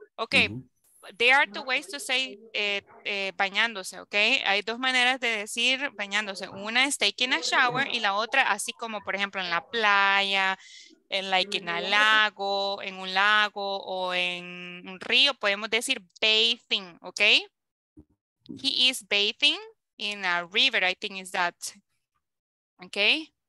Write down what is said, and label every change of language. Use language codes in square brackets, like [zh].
[en] Okay, there are two ways to say bañándose, okay? [es] Hay dos maneras de decir bañándose. Una es [en] taking a shower [es] y la otra, así como por ejemplo en la playa, en un lago o en un río, podemos decir bathing, okay? [en] He is bathing in a river, I think is that, okay?